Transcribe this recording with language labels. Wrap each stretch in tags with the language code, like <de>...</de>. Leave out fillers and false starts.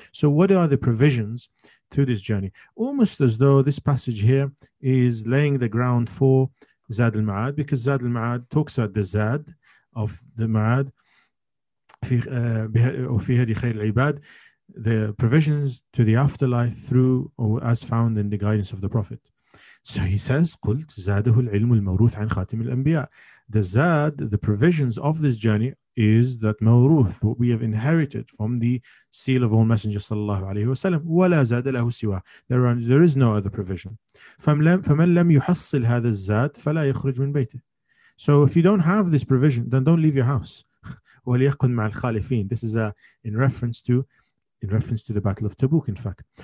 <en>So what are the provisions to this journey? Almost as though this passage here is laying the ground for Zad al-Ma'ad, because Zad al-Ma'ad talks about the Zad of the Ma'ad,</en> <ar>فِي هَدِي خَيْرِ الْعِبَادِ,</ar> <en>the provisions to the afterlife through or as found in the guidance of the Prophet. So he says,</en> <ar>قلت زاده العلم الموروث عن خاتم الأنبياء.</ar> <en>The Zad, the provisions of this journey, is that موروث, what we have inherited from the seal of all messengers صلى الله عليه وسلم.</en> <ar>ولا زاد له سوى.</ar> <en>There is no other provision.</en> <ar>فمن لم يحصل هذا الزاد فلا يخرج من بيته.</ar> <en>So if you don't have this provision, then don't leave your house.</en> <ar>وليقن مع الخالفين.</ar> <en>This is in reference to the Battle of Tabuk, in fact.</en>